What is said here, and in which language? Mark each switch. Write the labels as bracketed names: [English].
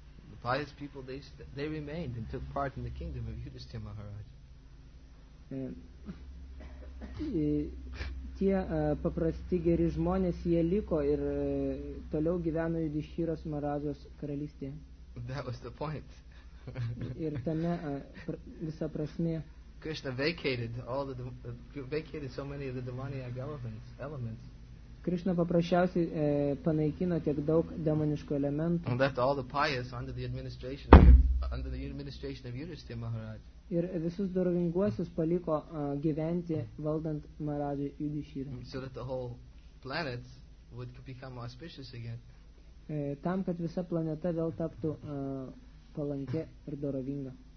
[English] The pious people, they remained and took part in the kingdom of Yudhishthira Maharaj. [Lithuanian] Tie paprasti geri žmonės, jie liko ir toliau gyveno Judišyros Marazos karalystėje. [English] That was the point. [Lithuanian] Ir tame visa prasmė. [English] Krishna vacated vacated so many of the demoniac elements. [Lithuanian] Krishna paprasčiausiai panaikino tiek daug demoniškų elementų. [English] And left all the pious under the administration of Yudhishthira Maharaj. [Lithuanian] Ir visus dorovinguosius paliko gyventi valdant Maharadžai Yudhishthira. [English] So that the whole planet would become auspicious again. [Lithuanian] Tam, kad visa planeta vėl taptų palankė ir dorovinga.